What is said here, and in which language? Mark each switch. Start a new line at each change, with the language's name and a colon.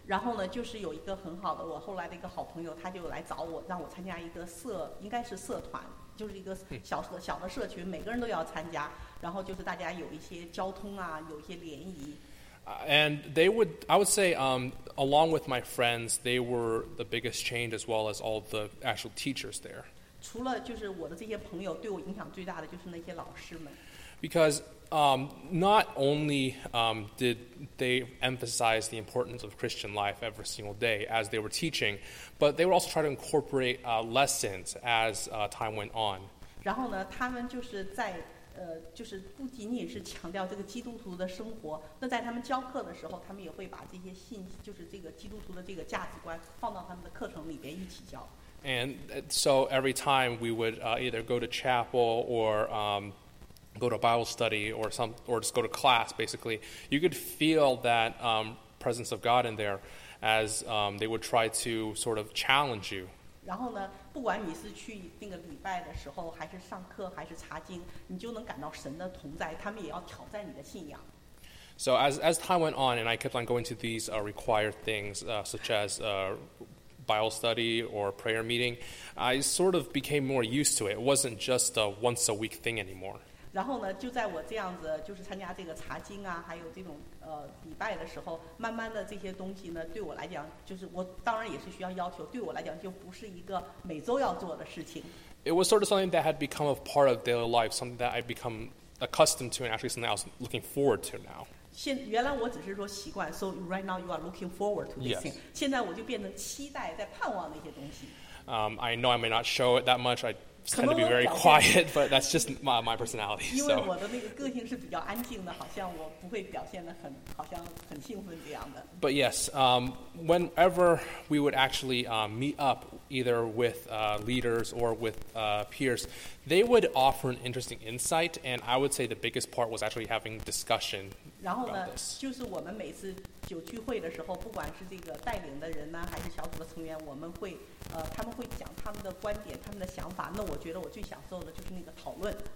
Chinese: 然后呢，就是有一个很好的我后来的一个好朋友，他就来找我，让我参加一个社，应该是社团，就是一个小的社群，每个人都要参加，然后就是大家有一些交通啊，有一些联谊。
English: And they would, I would say, along with my friends, they were the biggest change as well as all the actual teachers there.
Chinese: 除了就是我的这些朋友，对我影响最大的就是那些老师们。
English: Because not only did they emphasize the importance of Christian life every single day as they were teaching, but they would also try to incorporate lessons as time went on.
Chinese: 然后呢，他们就是在就是不仅仅是强调这个基督徒的生活，那在他们教课的时候，他们也会把这些信息，就是这个基督徒的这个价值观放到他们的课程里边一起教。
English: And so every time we would either go to chapel or go to Bible study or just go to class, basically, you could feel that presence of God in there as they would try to sort of challenge you.
Chinese: 然后呢，不管你是去那个礼拜的时候，还是上课，还是查经，你就能感到神的同在，他们也要挑战你的信仰。
English: So as time went on, and I kept on going to these required things, such as Bible study or prayer meeting, I sort of became more used to it. It wasn't just a once a week thing anymore.
Chinese: 然后呢，就在我这样子就是参加这个查经啊，还有这种礼拜的时候，慢慢的这些东西呢，对我来讲，就是我当然也是需要要求，对我来讲就不是一个每周要做的事情。
English: It was sort of something that had become a part of daily life, something that I become accustomed to, and actually something I was looking forward to now.
Chinese: 原来我只是说习惯
English: ，so right now you are looking forward to this thing. Yes.
Chinese: 现在我就变成期待，在盼望那些东西。
English: I know I may not show it that much. I tend to be very quiet, but that's just my personality.
Chinese: 因为我的那个个性是比较安静的，好像我不会表现得很，好像很兴奋这样的。
English: But yes, whenever we would actually meet up, either with leaders or with peers, they would offer an interesting insight, and I would say the biggest part was actually having discussion.
Chinese: 然后呢，就是我们每次酒聚会的时候，不管是这个带领的人呢，还是小组的成员，我们会他们会讲他们的观点，他们的想法。那我觉得我最享受的就是那个讨论。